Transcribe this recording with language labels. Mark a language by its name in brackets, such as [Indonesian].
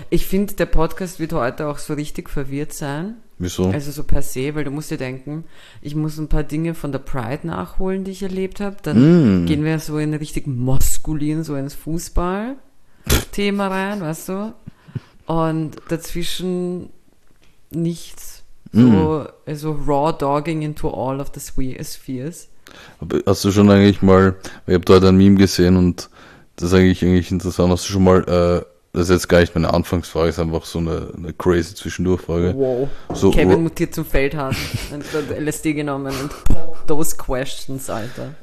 [German] Ich finde, der Podcast wird heute auch so richtig verwirrt sein. Wieso? Also so per se, weil du musst dir denken, ich muss ein paar Dinge von der Pride nachholen, die ich erlebt habe. Dann gehen wir so in richtig maskulin, so ins Fußball-Thema rein, weißt du? Und dazwischen nichts. [English] So, also raw dogging into all of the spheres. [German] Hast du schon eigentlich mal, ich habe dort ein Meme gesehen und das ist eigentlich interessant, hast du schon mal, das ist jetzt gar nicht meine Anfangsfrage, ist einfach so eine crazy Zwischendurchfrage. Wow. Kevin So, mutiert zum Feldhasen. Er hat gerade LSD genommen und [English] pop those questions, [German] Alter.